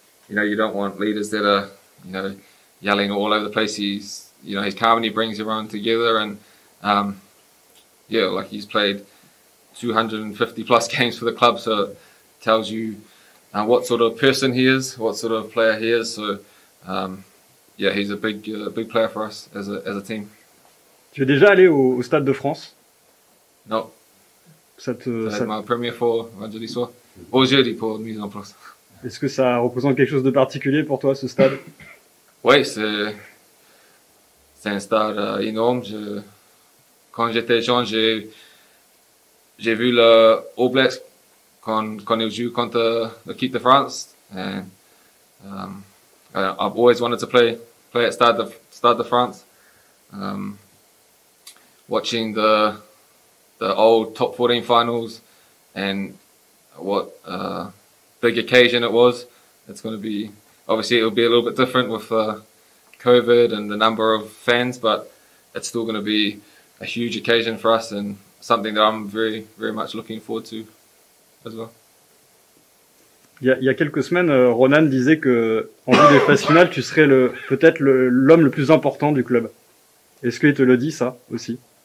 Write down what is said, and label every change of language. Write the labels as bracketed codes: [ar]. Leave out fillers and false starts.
[en] You know, you don't want leaders that are, you know, yelling all over the place. He's, you know, he's calm and he brings everyone together. And yeah, like, he's played 250 plus games for the club, so it tells you what sort of person he is, what sort of player he is. So yeah, he's a big player for us as a team. [fr] Tu es déjà allé au Stade de France? [en] No. [fr] C'est ma première fois vendredi soir. Aujourd'hui pour une mise en place. Est-ce que ça représente quelque chose de particulier pour toi, ce stade? Oui, c'est un stade énorme. Quand j'étais jeune, j'ai vu le All Blacks quand ils jouent contre l'équipe de France. [en] And, I've always wanted to play at Stade de France. Watching the old Top 14 finals and what big occasion it was. It's going to be, obviously it'll be a little bit different with COVID and the number of fans, but it's still going to be a huge occasion for us and something that I'm very, very much looking forward to as well. [fr] Il y a quelques semaines, Ronan disait que en vue des phases finales, tu serais peut-être l'homme le plus important du club. Est-ce qu'il te le dit ça aussi?